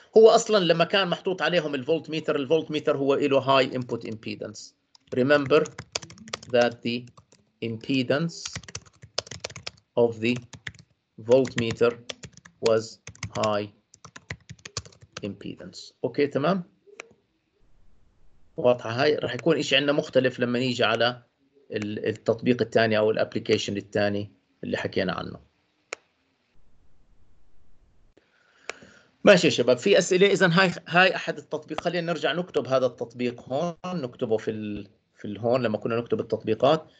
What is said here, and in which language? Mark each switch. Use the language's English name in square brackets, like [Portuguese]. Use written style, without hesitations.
[Arabic] هو اصلا لما كان محطوط عليهم الفولت ميتر، الفولت ميتر هو له هاي انبوت امبيدنس. [English] Remember that the impedance of the voltmeter was high impedance. [Arabic] اوكي تمام، واضحه هاي. راح يكون شيء عندنا مختلف لما نيجي على التطبيق الثاني او الابلكيشن الثاني اللي حكينا عنه. ماشي يا شباب، في اسئله؟ اذا هاي احد التطبيق، خلينا نرجع نكتب هذا التطبيق هون، نكتبه في هون لما كنا نكتب التطبيقات.